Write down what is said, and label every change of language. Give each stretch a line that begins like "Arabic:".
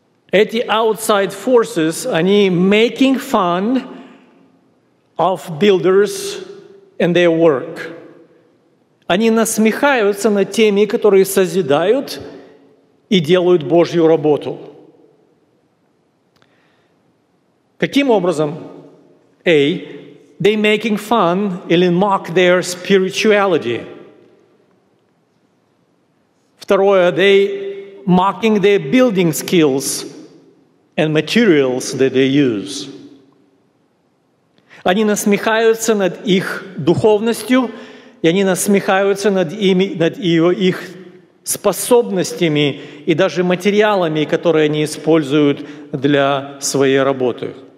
Russian: Эти
English: outside forces,
Russian: они
English: making fun of builders and their work.
Russian: Они насмехаются над теми, которые созидают и делают Божью работу. Каким образом? A.
English: They making fun
Russian: или
English: mock their spirituality.
Russian: Второе.
English: They mocking their building skills and materials that they use.
Russian: Они насмехаются над их духовностью, и они насмехаются над ими, над их способностями и даже материалами, которые они используют для своей работы.